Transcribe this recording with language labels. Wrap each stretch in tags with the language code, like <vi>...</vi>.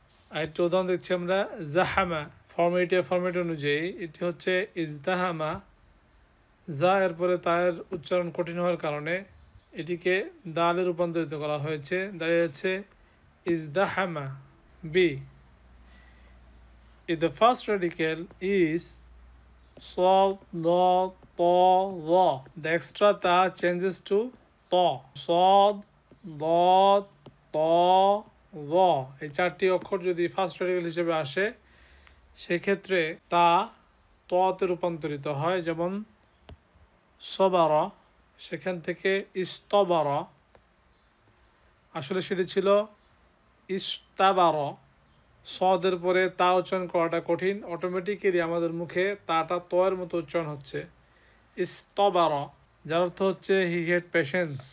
<bn>আরেকটি উদাহরণ দেখছি আমরা জাহামা, ফরম্যাট অনুযায়ী এটি হচ্ছে ইজতাহামা, যা এর পরে তার উচ্চারণ কঠিন হওয়ার কারণে এটিকে দালে রূপান্তরিত করা হয়েছে, দাঁড়িয়েছে ইজতাহামা।</bn> <en>B, if the first radical is sa la ta la, the extra ta changes to ta, sa la ta la,</en> <bn>এই চারটি অক্ষর যদি ফার্স্ট রেডিক্যাল হিসেবে আসে সেক্ষেত্রে তা তে রূপান্তরিত হয়, যেমন সবারা সেখান থেকে ইস্তবার, আসলে সেটি ছিল ইস্তাবার। সদের পরে তা উচ্চারণ করাটা কঠিন, অটোমেটিক্যালি আমাদের মুখে তাটা তয়ের মতো উচ্চারণ হচ্ছে, ইস্তবার, যার অর্থ হচ্ছে</bn> <en>He had patience.</en>